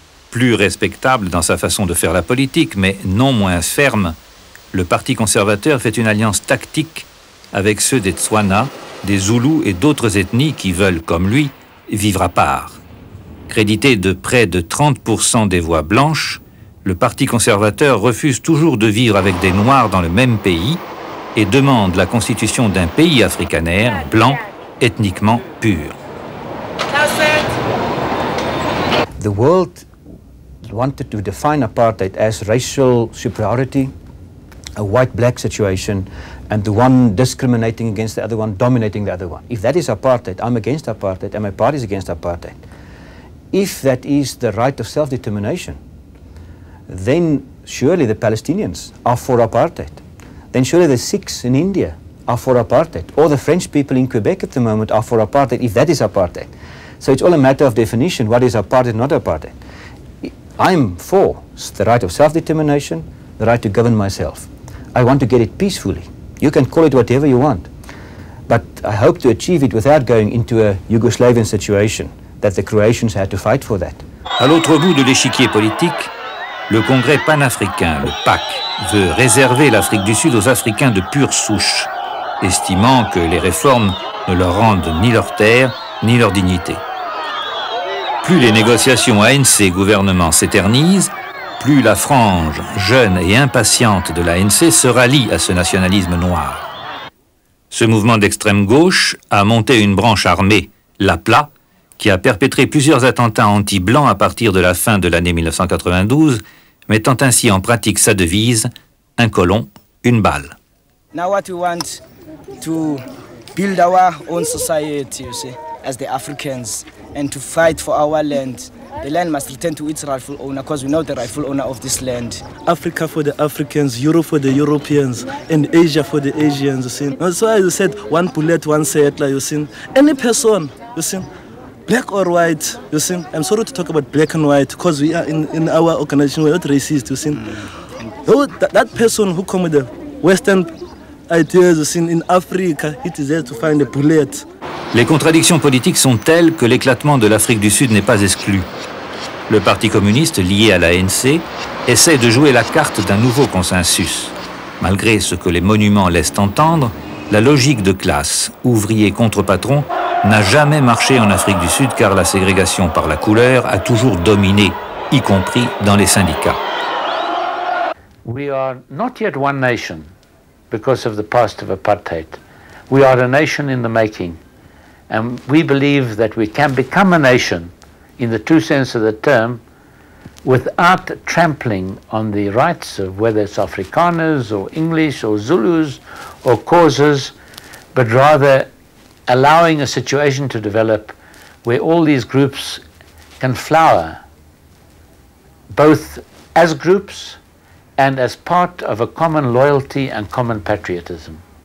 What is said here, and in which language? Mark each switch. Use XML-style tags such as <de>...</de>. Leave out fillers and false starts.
<fr>Plus respectable dans sa façon de faire la politique, mais non moins ferme, le Parti conservateur fait une alliance tactique avec ceux des Tswana, des Zoulous et d'autres ethnies qui veulent, comme lui, vivre à part. Crédité de près de 30% des voix blanches, le Parti conservateur refuse toujours de vivre avec des Noirs dans le même pays et demande la constitution d'un pays africanaire blanc, ethniquement pur.</fr> <en>The world wanted to define apartheid as racial superiority, a white-black situation, and the one discriminating against the other one, dominating the other one. If that is apartheid, I'm against apartheid, and my party is against apartheid. If that is the right of self-determination, then surely the Palestinians are for apartheid. Then surely the Sikhs in India are for apartheid, or the French people in Quebec at the moment are for apartheid, if that is apartheid. So it's all a matter of definition, what is apartheid, not apartheid. I'm for the right of self-determination, the right to govern myself. I want to get it peacefully. You can call it whatever you want. But I hope to achieve it without going into a Yugoslavian situation that the Croatians had to fight for that.</en> <fr>À l'autre bout de l'échiquier politique, le Congrès panafricain, le PAC, veut réserver l'Afrique du Sud aux Africains de pure souche, estimant que les réformes ne leur rendent ni leur terre, ni leur dignité. Plus les négociations ANC-gouvernement s'éternisent, plus la frange jeune et impatiente de l'ANC se rallie à ce nationalisme noir. Ce mouvement d'extrême-gauche a monté une branche armée, l'APLA, qui a perpétré plusieurs attentats anti-blancs à partir de la fin de l'année 1992, mettant ainsi en pratique sa devise « un colon, une balle ».</fr> <en>Now what we want to build our own society, you see, as the Africans, and to fight for our land. The land must return to its rightful owner, because we know the rightful owner of this land. Africa for the Africans, Europe for the Europeans, and Asia for the Asians, you see. That's why you said, one bullet, one settler, you see. Any person, you see, black or white, you see. I'm sorry to talk about black and white, because we are in our organization, we're not racist, you see. That person who come with the Western ideas, you see, in Africa, he deserves to find a bullet.</en> <fr>Les contradictions politiques sont telles que l'éclatement de l'Afrique du Sud n'est pas exclu. Le Parti communiste, lié à l'ANC, essaie de jouer la carte d'un nouveau consensus. Malgré ce que les monuments laissent entendre, la logique de classe, ouvrier contre patron, n'a jamais marché en Afrique du Sud, car la ségrégation par la couleur a toujours dominé, y compris dans les syndicats.</fr> <en>We are not yet one nation because of the past of apartheid. We are a nation in the making. And we believe that we can become a nation, in the true sense of the term, without trampling on the rights of whether it's Afrikaners or English or Zulus or Khoisas, but rather allowing a situation to develop where all these groups can flower, both as groups and as part of a common loyalty and common patriotism.</en>